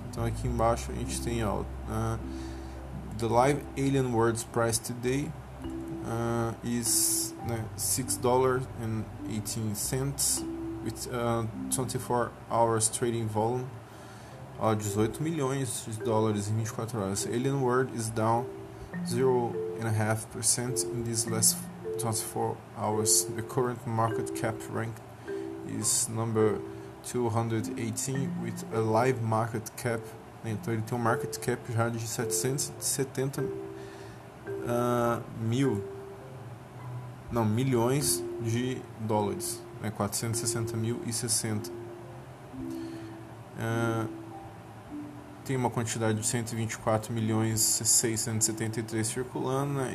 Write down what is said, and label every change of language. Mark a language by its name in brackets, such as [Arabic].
[Portuguese] Então aqui embaixo a gente tem, ó, [English] The Live Alien Worlds Price Today is, né, $6.18 with 24 hours trading volume. [Portuguese] Ó, 18 milhões de dólares em 24 horas. [English] Alien World is down 0.5% in this last 24 hours. The current market cap rank is number 218 with a live market cap. [Portuguese] Então ele tem um market cap já de 770 mil, não, milhões de dólares, né? 460 mil e 60. Tem uma quantidade de 124 milhões 673 circulando, né?